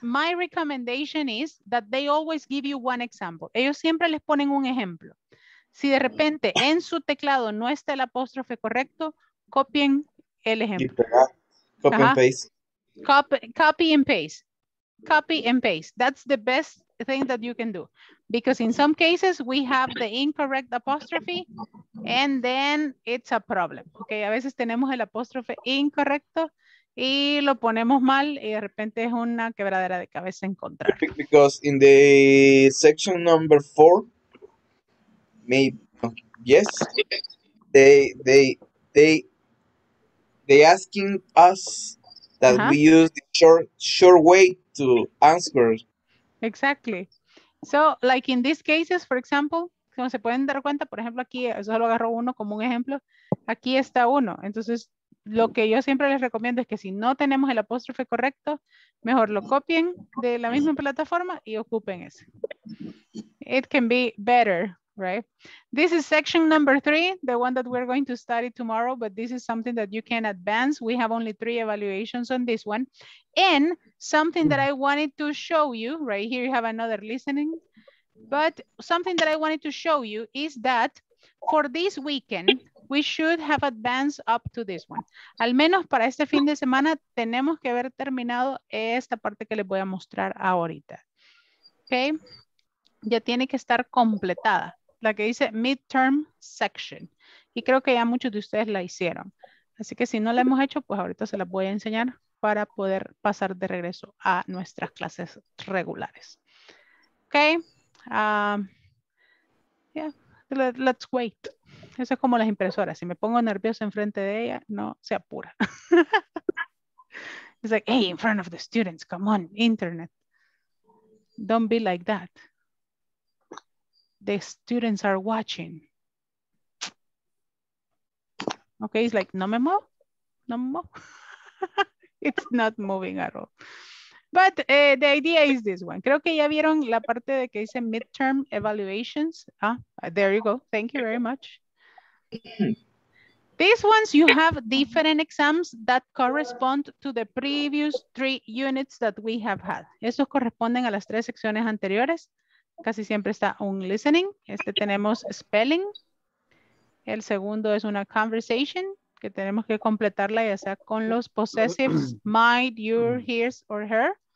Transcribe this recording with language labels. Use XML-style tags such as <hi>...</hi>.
<en>My recommendation is that they always give you one example.</en> <es>Ellos siempre les ponen un ejemplo. Si de repente en su teclado no está el apóstrofe correcto, copien el ejemplo.</es> <en>Copy and paste. That's the best thing that you can do. Because in some cases we have the incorrect apostrophe and then it's a problem.</en> <es>Okay, a veces tenemos el apóstrofe incorrecto y lo ponemos mal y de repente es una quebradera de cabeza encontrar.</es> <en>Because in the section number 4, they asking us that we use the short way to answer. Exactly. So, like in these cases, for example,</en> <es>como se pueden dar cuenta, por ejemplo, aquí, eso lo agarro uno como un ejemplo, aquí está uno. Entonces, lo que yo siempre les recomiendo es que si no tenemos el apóstrofe correcto, mejor lo copien de la misma plataforma y ocupen ese.</es> <en>It can be better. Right. This is section number 3, the one that we're going to study tomorrow, but this is something that you can advance. We have only 3 evaluations on this one. And something that I wanted to show you, right here you have another listening, but something that I wanted to show you is that for this weekend, we should have advanced up to this one.</en> <es>Al menos para este fin de semana, tenemos que haber terminado esta parte que les voy a mostrar ahorita. Okay. Ya tiene que estar completada. La que dice midterm section. Y creo que ya muchos de ustedes la hicieron. Así que si no la hemos hecho, pues ahorita se la voy a enseñar para poder pasar de regreso a nuestras clases regulares. Ok.</es> <en>Let's wait.</en> <es>Eso es como las impresoras. Si me pongo nerviosa enfrente de ella, no se apura.</es> <en>It's like, hey, in front of the students, come on, internet. Don't be like that. The students are watching. Okay, it's like,</en> <es>no me mo, no me mo.</es> <en>It's not moving at all. But the idea is this one.</en> <es>Creo que ya vieron la parte de que dice midterm evaluations.</es> <en>Ah, there you go. Thank you very much. These ones, you have different exams that correspond to the previous 3 units that we have had.</en> <es>Esos corresponden a las 3 secciones anteriores. Casi siempre está un listening. Este tenemos spelling. El segundo es una conversation que tenemos que completarla ya sea con los possessives, might, your, his, or her.</es>